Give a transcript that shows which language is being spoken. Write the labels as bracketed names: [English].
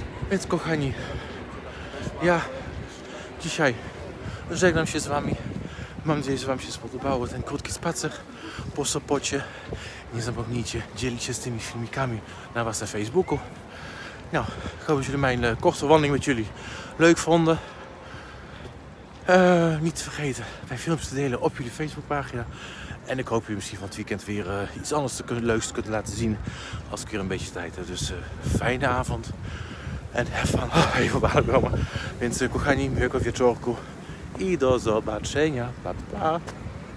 [Polish] Więc kochani, ja dzisiaj żegnam się z wami. Mam nadzieję, że wam się spodobało ten krótki spacer po Sopocie. Nie zapomnijcie dzielić się z tymi filmikami na was na Facebooku. [Dutch] Nou, ik hoop dat jullie mijn korte wandeling met jullie leuk vonden. Niet te vergeten mijn filmpjes te delen op jullie Facebookpagina. En ik hoop jullie misschien van het weekend weer iets anders leuks te kunnen laten zien. Als ik weer een beetje tijd heb. Dus fijne avond. En even op adem komen. [Polish] Wens kochani miłego wieczorku. I do zobaczenia. Pa, pa.